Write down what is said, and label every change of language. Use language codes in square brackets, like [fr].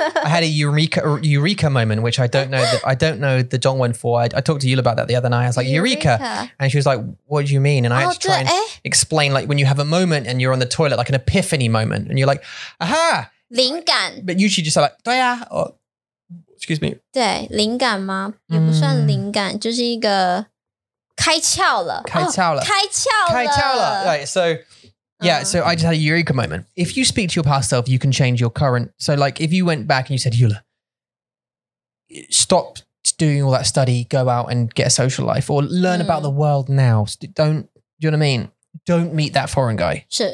[en] I had a eureka moment, which I don't know the Dongwen for. I talked to Yul about that the other night. I was like, eureka. And she was like, what do you mean? And I had to try and explain, like, when you have a moment and you're on the toilet, like an epiphany moment, and you're like, aha! [zh] 灵感. [en] But usually just like, [zh] 对啊, [en] or, excuse me. [zh] 对,灵感吗? 也不算灵感, 就是一个开窍了. 开窍了. 开窍了. 开窍了. [en] Right, so... Yeah, so I just had a eureka moment. If you speak to your past self, you can change your current. So like if you went back and you said, Yula, stop doing all that study, go out and get a social life or learn about the world now. Don't, do you know what I mean? Don't meet that foreign guy.